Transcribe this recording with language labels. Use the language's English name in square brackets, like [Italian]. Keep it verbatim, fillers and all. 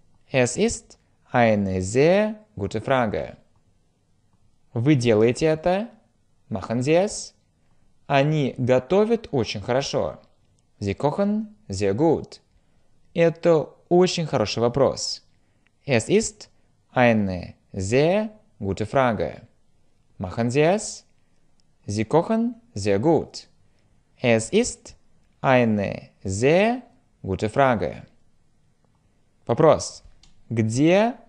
[German] Es ist eine sehr gute Frage. [Russian] Вы делаете это? [German] Machen Sie es? [Russian] Они готовят очень хорошо. [German] Sie kochen sehr gut. [Russian] Это очень хороший вопрос. [German] Es ist eine sehr gute Frage. Machen Sie es? Sie kochen sehr gut. Es ist eine sehr gute Frage. [Russian] Вопрос. Где